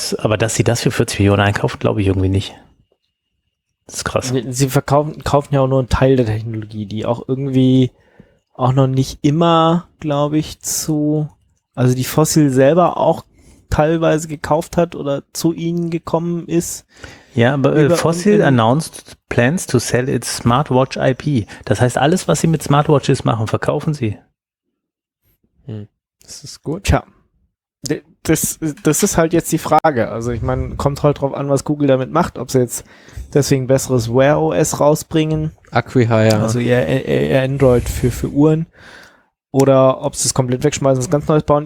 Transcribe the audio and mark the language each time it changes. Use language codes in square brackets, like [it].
[de] Aber dass sie das für 40 Millionen einkaufen, glaube ich irgendwie nicht. Das ist krass. Sie kaufen ja auch nur einen Teil der Technologie, die auch irgendwie auch noch nicht immer, glaube ich, zu. Also die Fossil selber auch teilweise gekauft hat oder zu ihnen gekommen ist. Ja, aber [en] Fossil announced plans to sell its smartwatch IP. [de] Das heißt, alles, was sie mit Smartwatches machen, verkaufen sie. Das ist gut. Tja. Das ist halt jetzt die Frage. Also ich meine, kommt halt drauf an, was Google damit macht, ob sie jetzt deswegen besseres Wear OS rausbringen. [en] Acquihire. [de] Also ihr Android für Uhren. Oder ob sie es komplett wegschmeißen, was ganz Neues bauen.